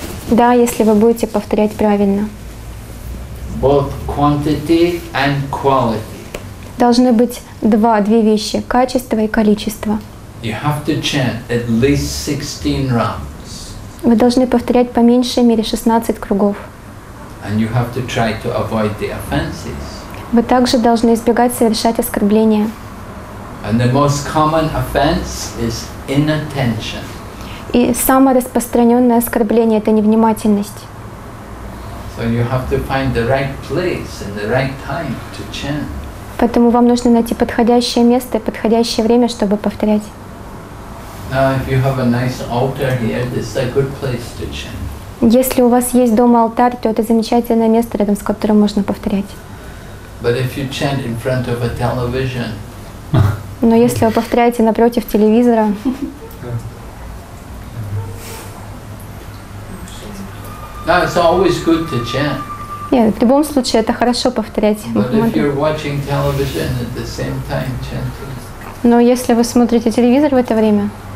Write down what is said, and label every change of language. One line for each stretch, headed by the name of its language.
Russian: Да, если вы будете повторять правильно.
English: Both quantity and quality.
Russian: Должны быть две вещи: качество и количество.
English: You have to chant at least 16 rounds.
Russian: Вы должны повторять по меньшей мере 16 кругов.
English: And you have to try to avoid the offenses.
Russian: Вы также должны избегать совершать оскорбления.
English: And the most common offense is inattention.
Russian: И самое распространенное оскорбление — это невнимательность.
English: So you have to find the right place and the right time to chant.
Russian: Поэтому вам нужно найти подходящее место и подходящее время, чтобы повторять.
English: Now, if you have a nice altar here, this is a good place to chant.
Russian: Если у вас есть дома алтарь, то это замечательное место, рядом с которым можно повторять.
English: But if you chant in front of a television.
Russian: Но если вы повторяете напротив телевизора.
English: Now, it's always good to chant.
Russian: Нет, в любом случае это хорошо повторять.
English: But if you're watching television at the same time chanting.
Russian: Но если вы смотрите телевизор в это время.